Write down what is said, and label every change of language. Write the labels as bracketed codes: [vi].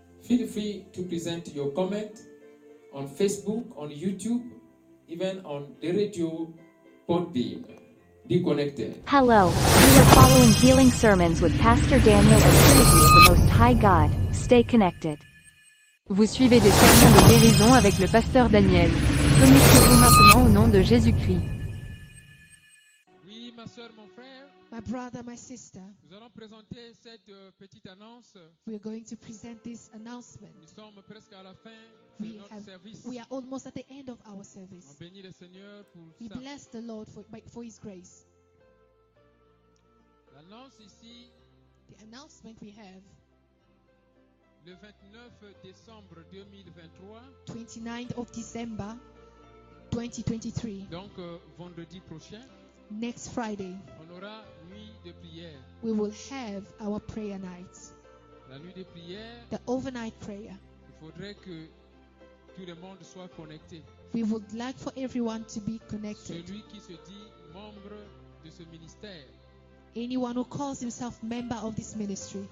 [en] Feel free to present your comment on Facebook, on YouTube, even on the radio Podbean. Deconnected. Hello, we are following healing sermons with Pastor Daniel of Trinity of the Most High God. Stay connected. [fr] Vous suivez des sermons de guérison avec le pasteur Daniel. Connectez-vous maintenant au nom de Jésus-Christ. Oui, ma soeur, mon frère. [en] My brother, my sister. [fr] Nous allons présenter cette petite annonce. [en] We are going to present this announcement. [fr] Nous sommes presque à la fin de notre service. [en] We are almost at the end of our service. [fr] On bénit le Seigneur pour [en] ça. We bless the Lord for His grace. [fr] L'annonce ici. [en] The announcement we have. [fr] Le 29 décembre 2023. [en] 29th of December 2023. [fr] Donc vendredi prochain. [en] Next Friday. [fr] On aura nuit de prière. [en] We will have our prayer night. [fr] La nuit de prière. [en] The overnight prayer. [fr] Il faudrait que tout le monde soit connecté. [en] We would like for everyone to be connected. [fr] Celui qui se dit membre de ce ministère. [en] Anyone who calls himself member of this ministry.